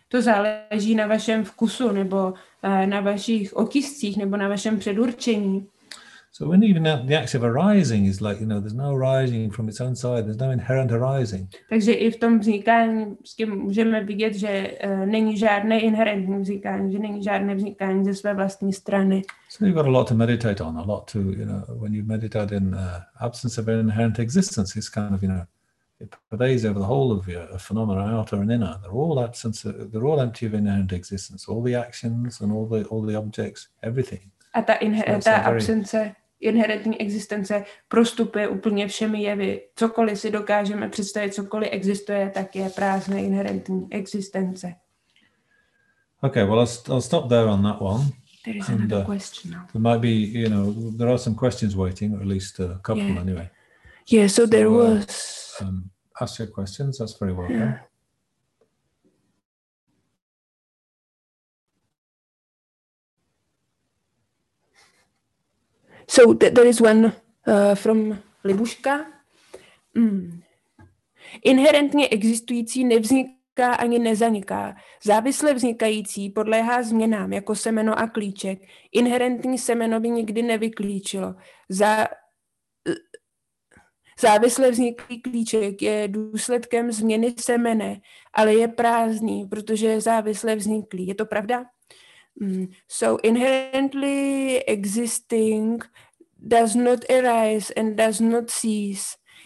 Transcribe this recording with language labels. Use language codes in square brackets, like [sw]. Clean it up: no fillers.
[cs] To záleží na vašem vkusu nebo na vašich okyscích nebo na vašem předurčení. [en] So when even the act of arising is like, you know, there's no arising from its own side, there's no inherent arising. [cs] Takže i v tom vznikání s tím můžeme vidět, že není žádné inherentní vznikání, že není žádné vznikání ze své vlastní strany. [en] So you've got a lot to meditate on, a lot to, you know, when you meditate in absence of an inherent existence, it's kind of, you know, it pervades over the whole of your phenomena, outer and inner. They're all absence, they're all empty of inherent existence, all the actions and all the objects, everything. [cs] A ta absence inherentní existence prostupuje úplně všemi jevy. Cokoliv si dokážeme představit, cokoliv existuje, tak je prázdné inherentní existence. [en] Okay, well, I'll stop there on that one. There is another question now. There might be, you know, there are some questions waiting, or at least a couple anyway. Yeah, so there was... Ask your questions, that's very welcome. Yeah. So there is one from Libuška. [cs] Inherentně existující nevzniká ani nezaniká. Závisle vznikající podléhá změnám jako semeno a klíček. Inherentní semeno by nikdy nevyklíčilo. Závisle vzniklý klíček je důsledkem změny semene, ale je prázdný, protože je závisle vzniklý. Je to pravda? [en] So inherently existing does not arise and does not cease.